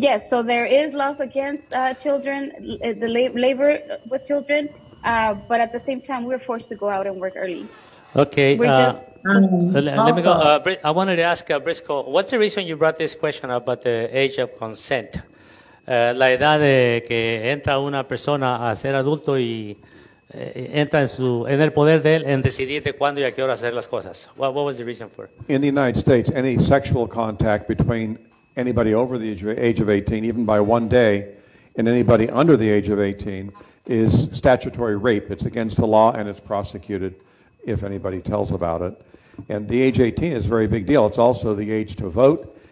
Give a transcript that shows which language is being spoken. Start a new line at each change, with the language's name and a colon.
English: So there is laws against children, the labor with children. But at the same time, we're forced to go out and work early. Okay. Let me go. I wanted to ask Briscoe, what's the reason you brought this question about the age of consent?
Spanish: La edad de que entra una persona a ser adulto y entra en el poder de él en decidir de cuándo y a qué hora hacer las cosas.
English: What was the reason for? In the United States, any sexual contact between anybody over the age of 18, even by one day, and anybody under the age of 18 is statutory rape. It's against the law and it's prosecuted if anybody tells about it. And the age 18 is a very big deal. It's also the age to vote.